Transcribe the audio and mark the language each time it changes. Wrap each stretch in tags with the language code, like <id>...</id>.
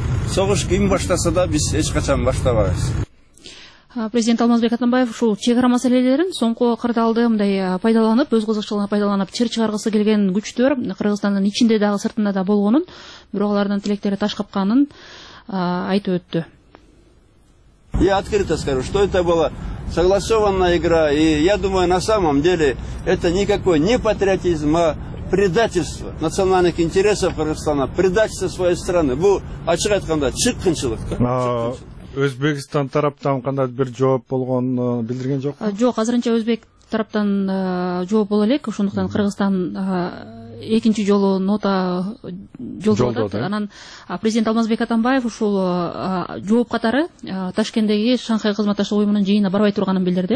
<ky>Согуш ким баштаса да биз эч качан баштабайбыз. Президент Алмазбек Атамбаев ушул чек ара маселелерин соңку кырдаалды мындай пайдаланып, өз кызыкчылыгына пайдаланып, чыр чыгаргысы келген күчтөр Кыргызстандын ичинде дагы сыртында да болгонун, бирок алардын тилектери таш капканын айтып өттү.</ky> <ru>Я открыто скажу, что это была согласованная игра, и я думаю, на самом деле это никакой не патриотизм, а предательство национальных интересов Кыргызстана, предательство своей страны.</ru> <ky>Бу ачык айтканда чыккынчылык. Өзбекстан тараптан кандай бир жооп болгонун билдирген жок. Жок, азырынча өзбек тараптан жооп боло элек, ошондуктан Кыргызстан экинчи жолу нота жолдоду. Анан президент Алмазбек Атамбаев ушул жооп катары Ташкенттеги Шанхай кызматташтык уюмунун жыйынына барбай турганын билдирди.</ky>